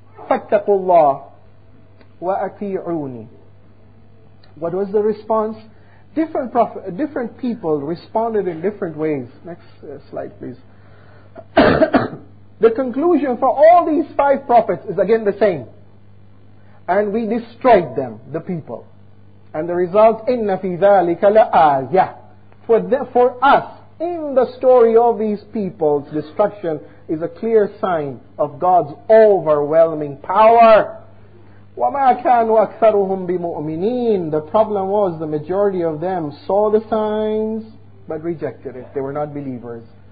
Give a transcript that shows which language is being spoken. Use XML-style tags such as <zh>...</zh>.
<ar>فَاتَّقُوا اللَّهِ وَأَتِيعُونِ.</ar> <en>What was the response? Different people responded in different ways. Next slide, please. The conclusion for all these five prophets is again the same. And we destroyed them, the people. And the result,</en> <ar>إِنَّ فِي ذَٰلِكَ لَآيَةٌ.</ar> <en>For us, in the story of these people's destruction, is a clear sign of God's overwhelming power.</en> <ar>وَمَا كَانُوا أَكْثَرُهُمْ بِمُؤْمِنِينَ.</ar> <en>The problem was the majority of them saw the signs but rejected it. They were not believers.</en>